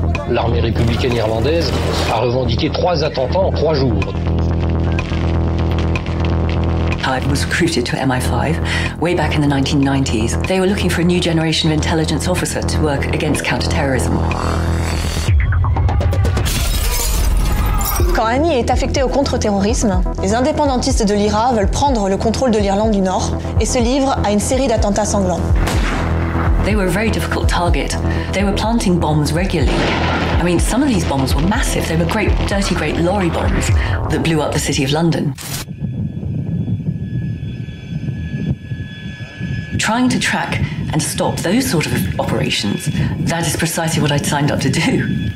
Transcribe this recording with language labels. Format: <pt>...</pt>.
<fr>L'armée républicaine irlandaise a revendiqué trois attentats en trois jours.</fr> <en>I was recruited to MI5 way back in the 1990s. They were looking for a new generation of intelligence officer to work against counter-terrorism.</en> <fr>Quand Annie est affectée au contre-terrorisme, les indépendantistes de l'IRA veulent prendre le contrôle de l'Irlande du Nord et se livrent à une série d'attentats sanglants.</fr> <en>They were a very difficult target. They were planting bombs regularly. I mean, some of these bombs were massive. They were great, dirty, great lorry bombs that blew up the city of London. Trying to track and stop those sort of operations, that is precisely what I'd signed up to do.</en>